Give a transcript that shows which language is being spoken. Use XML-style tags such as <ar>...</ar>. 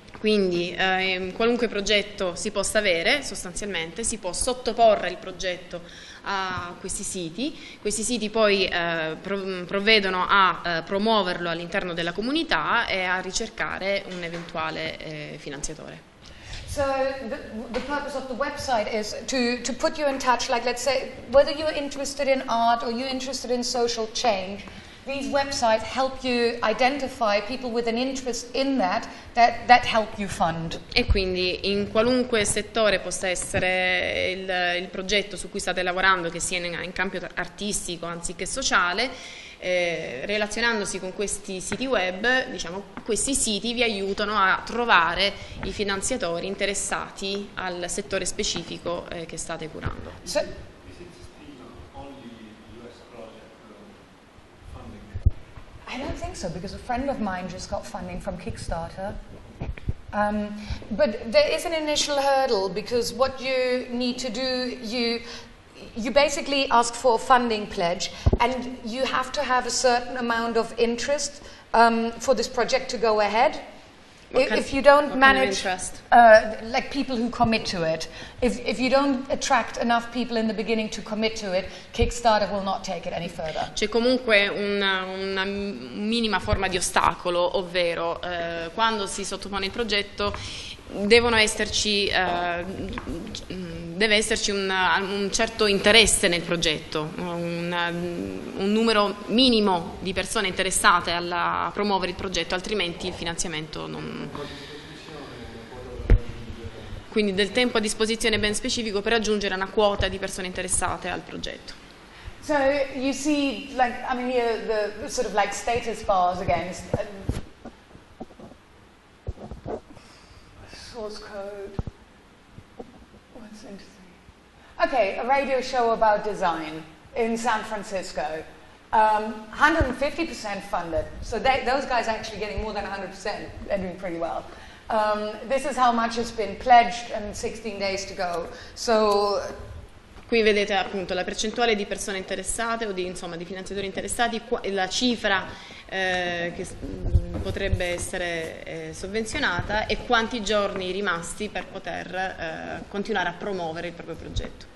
<it>Quindi qualunque progetto si possa avere, sostanzialmente, si può sottoporre il progetto a questi siti. Questi siti poi provvedono a promuoverlo all'interno della comunità e a ricercare un eventuale finanziatore.</it> <en>So the purpose of the website is to put you in touch, like let's say, whether you're interested in art or you're interested in social change, these websites help you identify people with an interest in that help you fund.</en> <it>E quindi in qualunque settore possa essere il progetto su cui state lavorando, che sia in campo artistico anziché sociale, relazionandosi con questi siti web, diciamo, questi siti vi aiutano a trovare i finanziatori interessati al settore specifico che state curando. Se...</it> <en>I don't think so, because a friend of mine just got funding from Kickstarter. But there is an initial hurdle, because what you need to do, you basically ask for a funding pledge, and you have to have a certain amount of interest for this project to go ahead. Like people who commit to it, if you don't attract enough people in the beginning to commit to it, Kickstarter will not take it any further.</en> <it>C'è comunque una minima forma di ostacolo, ovvero quando si sottopone il progetto deve esserci un certo interesse nel progetto, un numero minimo di persone interessate a promuovere il progetto, altrimenti il finanziamento non... Quindi del tempo a disposizione ben specifico per aggiungere una quota di persone interessate al progetto.</it> <en>So you see, like, I mean, here the sort of like status bars again. Source code. What's interesting? Okay, a radio show about design in San Francisco. 150% funded. So those guys are actually getting more than 100%. They're doing pretty well. This is how much has been pledged and 16 days to go. So.</en> <it>Qui vedete appunto la percentuale di persone interessate o di, insomma, di finanziatori interessati, la cifra che potrebbe essere sovvenzionata e quanti giorni rimasti per poter continuare a promuovere il proprio progetto.</it>